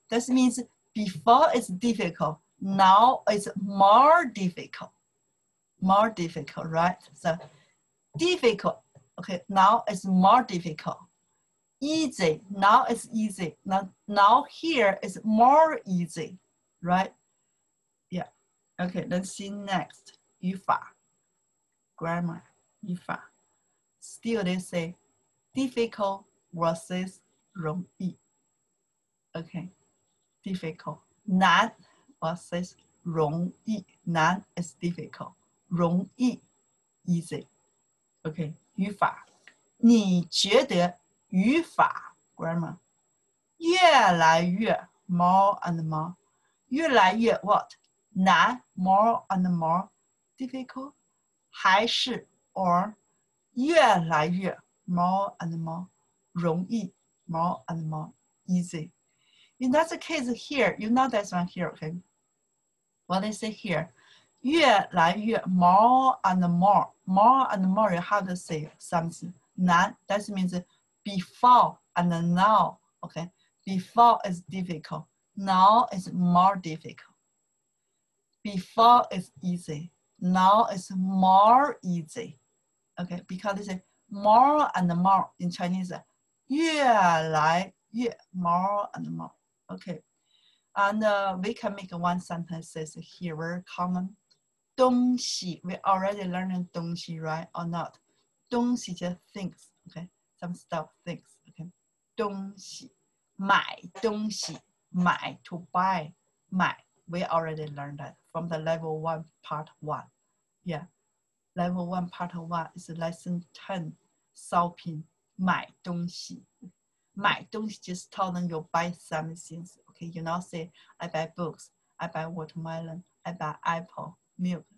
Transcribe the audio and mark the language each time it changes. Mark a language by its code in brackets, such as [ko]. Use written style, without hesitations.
[en] This means before it's difficult, now it's more difficult. More difficult, right? So difficult, okay, now it's more difficult. Easy, now it's easy. Now here is more easy, right? Yeah, okay, let's see next. 语法, grammar, 语法. Still they say difficult versus 容易. Okay, difficult. 难 versus 容易. 难 is difficult. 容易, easy. Okay, 语法. [zh] 你觉得, 语法, grammar. [en] 越来越, more and more. 越来越, what? 难, more and more. Difficult. 还是, or. 越来越, more and more. 容易, more and more. Easy. In that case here, you know this one here, okay? What they say here? 越来越, more and more. More and more, you have to say something. 难, that means before and now, okay? Before is difficult. Now is more difficult. Before is easy. Now is more easy. Okay, because they say more and more in Chinese. 越来越, more and more. Okay. And we can make one sentence here, very common. 东西, we already learned 东西, right? Or not? 东西 just things, okay? Some stuff, things, okay? [zh] 东西, 买东西, 买, [en] to buy, [zh] 买. [en] We already learned that from the level one, part one. Yeah, level one, part one is lesson 10, [zh] 烧品, 买东西. [en] 买东西 just tell them you buy some things, okay? You now say, I buy books, I buy watermelon, I buy apple, milk.